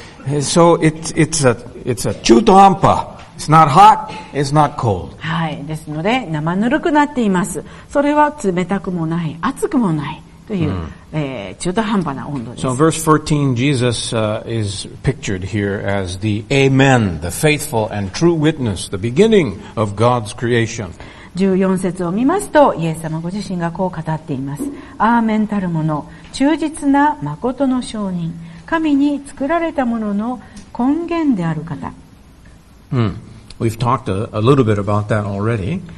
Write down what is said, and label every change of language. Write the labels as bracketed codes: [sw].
[en] So it's a 中途半端。 It's not hot, it's not cold. [ja] はい。ですので、生ぬるくなっています。それは冷たくもない、熱くもないという、中途半端な温度です。 [en] So verse 14, Jesus, is pictured here as the Amen, the faithful and true witness, the beginning of God's creation. [ja] 14節を見ますと、イエス様ご自身がこう語っています。アーメンたるもの、忠実な誠の証人、神に作られたものの根源である方。 [en] We've talked a little bit about that already.